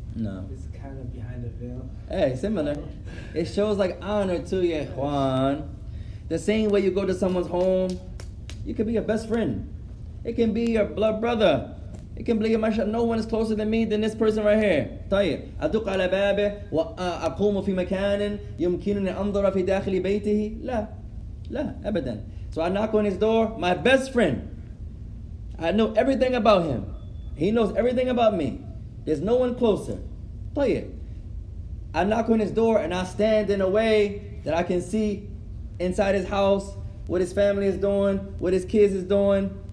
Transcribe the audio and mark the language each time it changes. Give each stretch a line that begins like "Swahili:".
English: No. It's kind of behind a veil. Hey, similar. It shows like honor to you, ikhwan. The same way you go to someone's home, you can be your best friend. It can be your blood brother. It can be your mashallah. No one is closer than me than this person right here.
Arabic: طيب أدق على بابه وأقوم في مكان يمكنني أنظر في داخل بيته لا لا أبدا.
English: So I knock on his door, my best friend. I know everything about him. He knows everything about me. There's no one closer.
Arabic: طيب
English: I knock on his door and I stand in a way that I can see inside his house, what his family is doing, what his kids is doing.